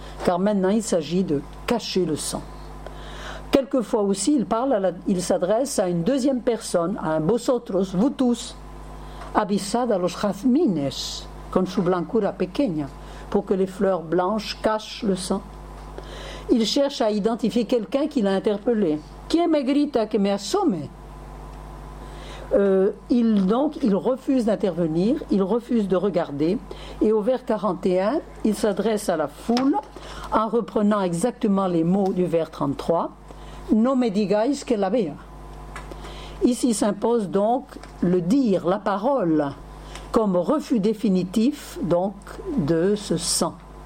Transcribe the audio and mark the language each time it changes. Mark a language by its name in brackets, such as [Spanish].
[French] Car maintenant, il s'agit de cacher le sang. Quelquefois aussi, il s'adresse à une deuxième personne, à un « vosotros », vous tous. « [Spanish] Avisad a los jazmines con su blancura pequeña [French] », pour que les fleurs blanches cachent le sang. Il cherche à identifier quelqu'un qui l'a interpellé. [Spanish] « ¿Quién me grita que me asome ?» [French] Il refuse d'intervenir, il refuse de regarder, et au vers 41, il s'adresse à la foule en reprenant exactement les mots du vers 33. « [Spanish] No me digáis que la vea. [French] » Ici s'impose donc le dire, la parole, comme refus définitif donc de ce sang.